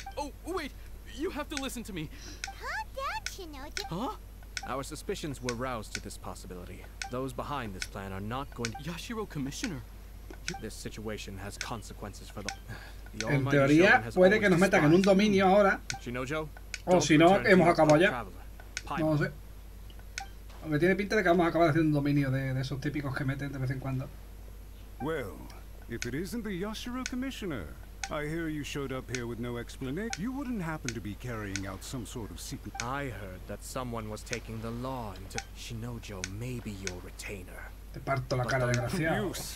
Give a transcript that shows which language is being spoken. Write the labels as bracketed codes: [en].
[en] Oh, wait, you have to listen to me. Calm down, Shinoji. Huh? Our suspicions were roused to this possibility. Those behind this plan are not going to... Yashiro Commissioner. This situation has consequences for the... [es] En teoría, puede que nos metan en un dominio ahora. O si no, hemos acabado ya. No lo sé. Aunque tiene pinta de que vamos a acabar haciendo un dominio de esos típicos que meten de vez en cuando. [en] Well, if it isn't the Yashiro Commissioner, I hear you showed up here with no explanation. You wouldn't happen to be carrying out some sort of secret. I heard that someone was taking the law into Shinojo, maybe your retainer. [es] Te parto la cara de gracia.